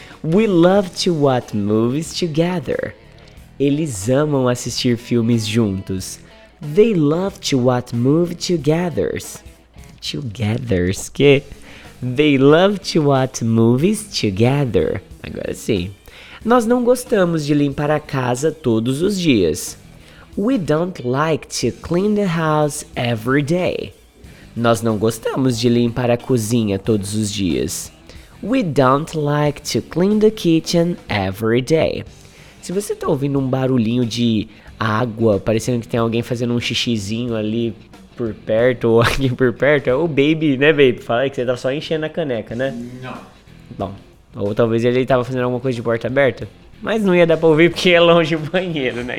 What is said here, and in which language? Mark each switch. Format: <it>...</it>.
<en>We love to watch movies together.</en> <pt>Eles amam assistir filmes juntos.</pt> <en>They love to watch movies togethers. Togethers, que... They love to watch movies together.</en> <pt>Agora sim. Nós não gostamos de limpar a casa todos os dias.</pt> <en>We don't like to clean the house every day.</en> <pt>Nós não gostamos de limpar a cozinha todos os dias.</pt> <en>We don't like to clean the kitchen every day.</en> <pt>Se você está ouvindo um barulhinho de água, parecendo que tem alguém fazendo um xixizinho ali... por perto ou aqui por perto, é o baby, né, baby? Fala aí que você tá só enchendo a caneca, né? Não. Bom, ou talvez ele tava fazendo alguma coisa de porta aberta, mas não ia dar pra ouvir porque é longe o banheiro, né?</pt>